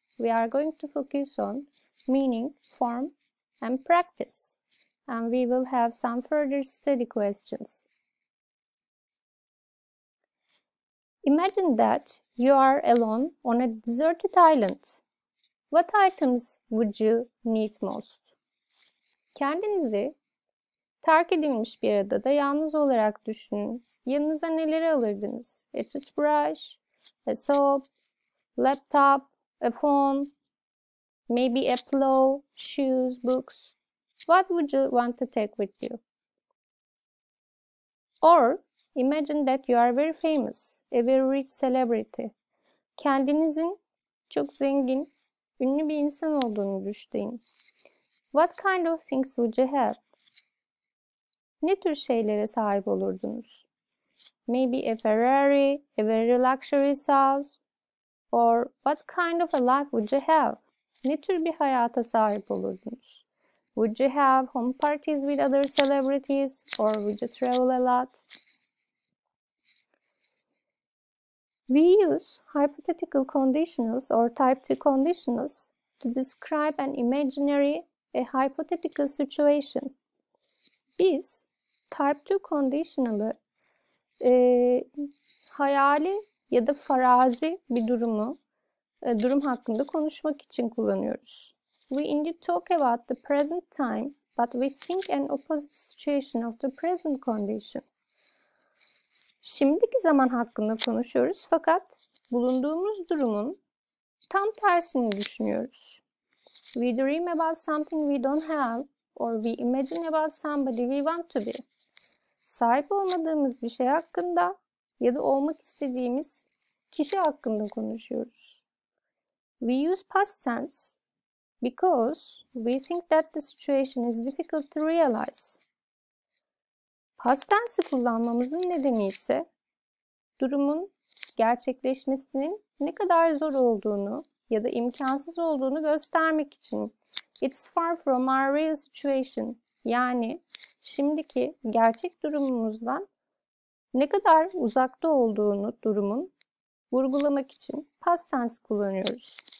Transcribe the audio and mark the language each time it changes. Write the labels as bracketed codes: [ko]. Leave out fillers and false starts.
[en] We are going to focus on meaning, form, and practice, and we will have some further study questions. Imagine that you are alone on a deserted island. What items would you need most? [tr] Kendinizi terk edilmiş bir adada yalnız olarak düşünün. Yanınıza neleri alırdınız? [en] A toothbrush, a soap, laptop, a phone, maybe a pillow, shoes, books. What would you want to take with you? Or imagine that you are very famous, a very rich celebrity. [tr] Kendinizin çok zengin, ünlü bir insan olduğunu düşünün. [en] What kind of things would you have? [tr] Ne tür şeylere sahip olurdunuz? [en] Maybe a Ferrari, a very luxurious house. Or what kind of a life would you have? [tr] Ne tür bir hayata sahip olurdunuz? [en] Would you have home parties with other celebrities? Or would you travel a lot? We use hypothetical conditionals or type 2 conditionals to describe an imaginary, a hypothetical situation. [tr] Biz type 2 conditional'ı hayali ya da farazi bir durumu, durum hakkında konuşmak için kullanıyoruz. [en] We indeed talk about the present time, but we think an opposite situation of the present condition. [tr] Şimdiki zaman hakkında konuşuyoruz fakat bulunduğumuz durumun tam tersini düşünüyoruz. [en] We dream about something we don't have or we imagine about somebody we want to be. [tr] Sahip olmadığımız bir şey hakkında ya da olmak istediğimiz kişi hakkında konuşuyoruz. [en] We use past tense because we think that the situation is difficult to realize. [tr] Past tense'i kullanmamızın nedeni ise durumun gerçekleşmesinin ne kadar zor olduğunu ya da imkansız olduğunu göstermek için. [en] It's far from our real situation. [tr] Yani şimdiki gerçek durumumuzdan ne kadar uzakta olduğunu durumun vurgulamak için past tense kullanıyoruz.